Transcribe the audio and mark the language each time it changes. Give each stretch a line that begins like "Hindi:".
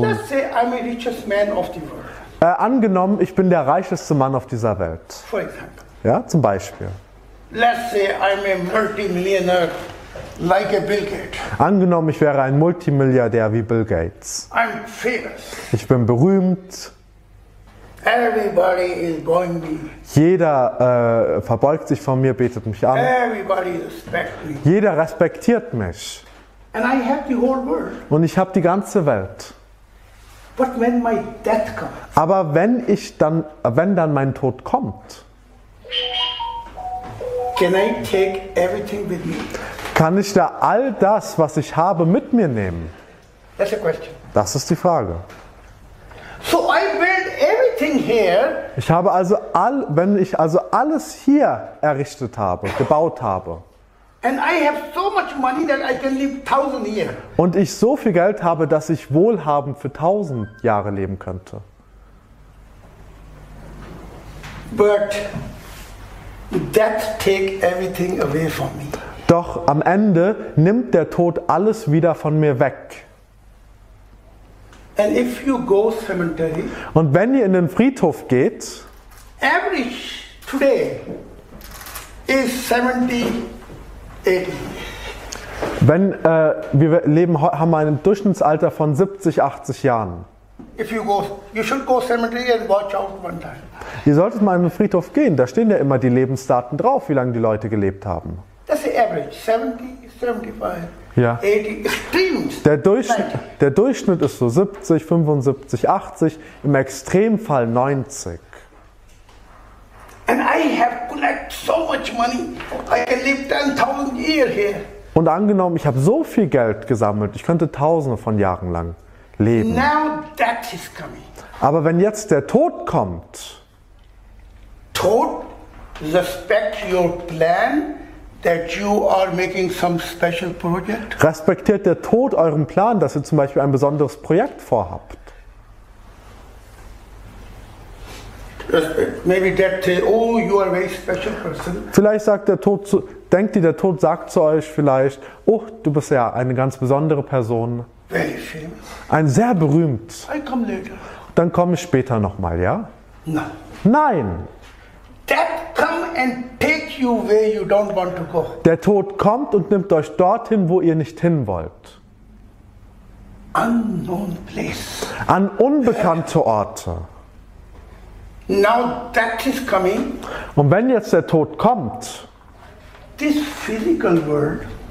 English: Let's say I'm the richest man of the world.
German: Angenommen, ich bin der reicheste Mann auf dieser Welt.
English: For example.
German: Ja, zum Beispiel.
English: Let's say I'm a multimillionaire. Like a Bill Gates.
German: Angenommen, ich wäre ein Multimilliardär wie Bill Gates.
English: I'm famous.
German: Ich bin berühmt.
English: Everybody is going to be.
German: Jeder verbeugt sich vor mir, betet mich an.
English: Everybody respect me.
German: Jeder respektiert mich.
English: And I have the whole world.
German: Und ich habe die ganze Welt.
English: But when my death comes.
German: Aber wenn dann mein Tod kommt,
English: can I take everything with me?
German: Kann ich da all das, was ich habe, mit mir nehmen?
English: That's a question.
German: Das ist die Frage.
English: So I build everything here.
German: Ich habe also alles hier errichtet habe, gebaut habe.
English: And I have so much money that I can live 1000 years.
German: Und ich so viel Geld habe, dass ich wohlhabend für 1000 Jahre leben könnte.
English: But that take everything away from me.
German: Doch am Ende nimmt der Tod alles wieder von mir weg.
English: And if you go cemetery,
German: und wenn ihr in den Friedhof geht,
English: average today is 70
German: Wenn wir leben, haben ein Durchschnittsalter von 70, 80 Jahren.
English: If you go, you should go cemetery and watch out one time.
German: Ihr solltet mal in den Friedhof gehen, da stehen ja immer die Lebensdaten drauf, wie lange die Leute gelebt haben.
English: That's the average, 70, 75, ja. 80, extremes.
German: Der Durchschnitt ist so 70, 75, 80, im Extremfall 90.
English: And I have collected so much money, I can live 10,000 years here.
German: Und angenommen, ich habe so viel Geld gesammelt, ich könnte tausende von Jahren lang leben.
English: Now that is coming.
German: Aber wenn jetzt der Tod kommt,
English: Tod respect your plan that you are making some special project.
German: Respektiert der Tod euren Plan, dass ihr zum Beispiel ein besonderes Projekt vorhabt?
English: Maybe that oh you are a very special person.
German: Vielleicht sagt der Tod zu Denkt ihr, der Tod sagt zu euch vielleicht, oh, du bist ja eine ganz besondere Person.
English: Very famous.
German: Ein sehr berühmt.
English: I come later.
German: Dann komme ich später nochmal, ja?
English: No.
German: Nein.
English: Death come and take you where you don't want to go.
German: Der Tod kommt und nimmt euch dorthin, wo ihr nicht hin wollt.
English: Unknown place.
German: An unbekannte Orte.
English: Now that is coming.
German: Und wenn jetzt der Tod kommt,
English: this physical world,